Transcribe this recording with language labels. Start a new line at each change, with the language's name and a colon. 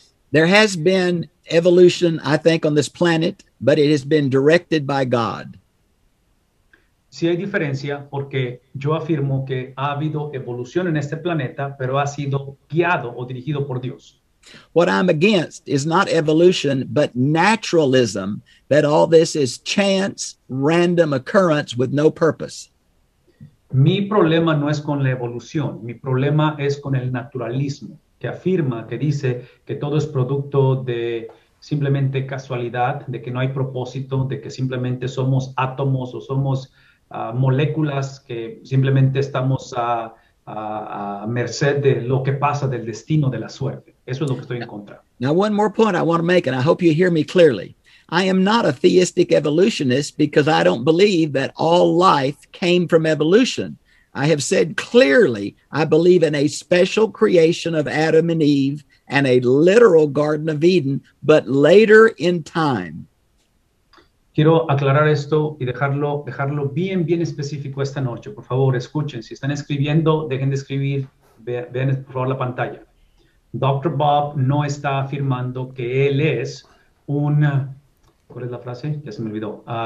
English: There has been evolution, I think, on this planet, but it has been directed by God.
Spanish: Sí hay diferencia porque yo afirmo que ha habido evolución en este planeta, pero ha sido guiado o dirigido por Dios.
English: What I'm against is not evolution, but naturalism, that all this is chance, random occurrence with no purpose.
Spanish: Mi problema no es con la evolución. Mi problema es con el naturalismo, que afirma, que dice que todo es producto de simplemente casualidad, de que no hay propósito, de que simplemente somos átomos o somos moléculas que simplemente estamos a merced de lo que pasa, del destino, de la suerte. Eso es lo que estoy en contra.
English: Now, one more point I want to make, and I hope you hear me clearly. I am not a theistic evolutionist because I don't believe that all life came from evolution. I have said clearly I believe in a special creation of Adam and Eve and a literal Garden of Eden, but later in time.
Spanish: Quiero aclarar esto y dejarlo bien, bien específico esta noche. Por favor, escuchen. Si están escribiendo, dejen de escribir. Vean, por favor, la pantalla. Dr. Bob no está afirmando que él es un... ¿Cuál es la frase? Ya se me olvidó.